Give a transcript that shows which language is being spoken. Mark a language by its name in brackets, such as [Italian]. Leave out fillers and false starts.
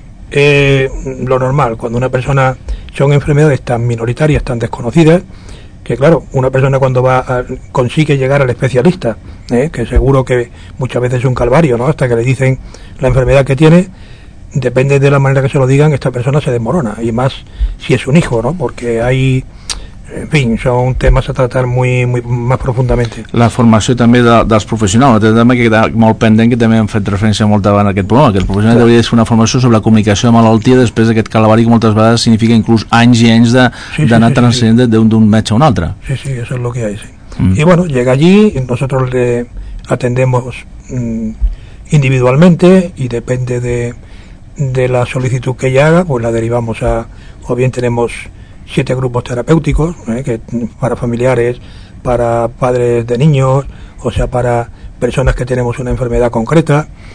[Spanish] Lo normal, cuando una persona son enfermedades tan minoritarias, tan desconocidas, que claro, una persona cuando consigue llegar al especialista, que seguro que muchas veces es un calvario, ¿no? Hasta que le dicen la enfermedad que tiene, depende de la manera que se lo digan, esta persona se desmorona, y más si es un hijo, ¿no? Porque hay, en fin, son temas a tratar muy, muy más profundamente. [Catalan] La formació també dels professionals, un altre tema que queda molt pendent, que també hem fet referència molt davant aquest problema, que els professionals haurien de fer una formació sobre la comunicació de malaltia després d'aquest calvari, que moltes vegades significa inclús anys i anys d'anar transcendent d'un metge a un altre. [Spanish] Sí, sí, eso es lo que hay, sí. Y bueno, llega allí, nosotros le atendemos individualmente y depende de la solicitud que ella haga, pues la derivamos a, o bien tenemos 7 grupos terapéuticos, que para familiares, para padres de niños, o sea, para personas que tenemos una enfermedad concreta.